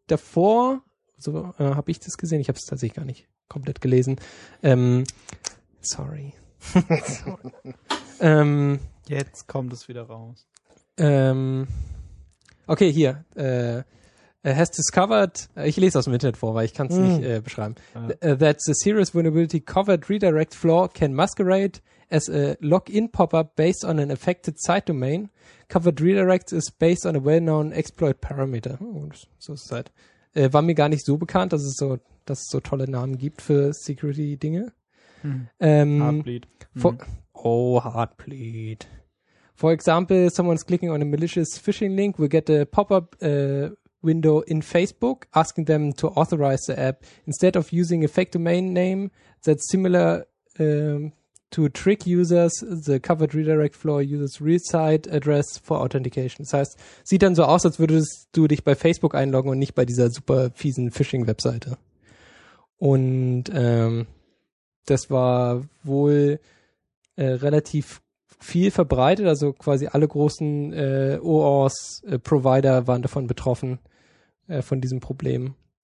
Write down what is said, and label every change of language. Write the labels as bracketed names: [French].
[German] Davor, so habe ich das gesehen, ich habe es tatsächlich gar nicht komplett gelesen. Sorry. Jetzt kommt es wieder raus. Okay, hier. [English] Has discovered, [German] ich lese aus dem Internet vor, weil ich kann es nicht beschreiben. [English] That's a serious vulnerability covered redirect flaw can masquerade as a login pop-up based on an affected site domain. Covered redirects is based on a well-known exploit parameter. [German] Oh, so ist es halt. War mir gar nicht so bekannt, dass es so tolle Namen gibt für Security-Dinge. Heartbleed. Heartbleed. [English] For example, someone's clicking on a malicious phishing link, we get a pop-up window in Facebook asking them to authorize the app. Instead of using a fake domain name that's similar to trick users, the covered redirect flaw uses real site address for authentication. [German] Das heißt, sieht dann so aus, als würdest du dich bei Facebook einloggen und nicht bei dieser super fiesen Phishing-Webseite. Und das war wohl relativ viel verbreitet, also quasi alle großen OAuth-Provider waren davon betroffen, von diesem Problem.